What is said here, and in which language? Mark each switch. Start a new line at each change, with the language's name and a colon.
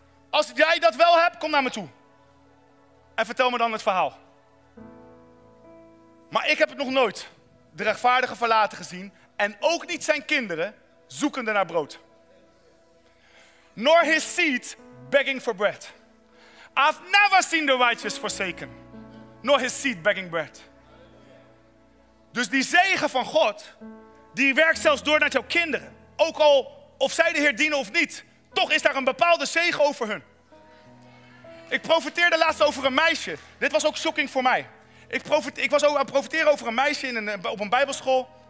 Dutch: Als jij dat wel hebt, kom naar me toe. En vertel me dan het verhaal. Maar ik heb het nog nooit de rechtvaardige verlaten gezien. En ook niet zijn kinderen zoekende naar brood.
English: Nor his seed begging for bread. I've never seen the righteous forsaken. Nor his seed begging bread.
Dutch: Dus die zegen van God, die werkt zelfs door naar jouw kinderen. Ook al of zij de Heer dienen of niet. Toch is daar een bepaalde zegen over hun. Ik profeteerde laatst over een meisje. Dit was ook shocking voor mij. Ik was aan het profeteren over een meisje op een bijbelschool.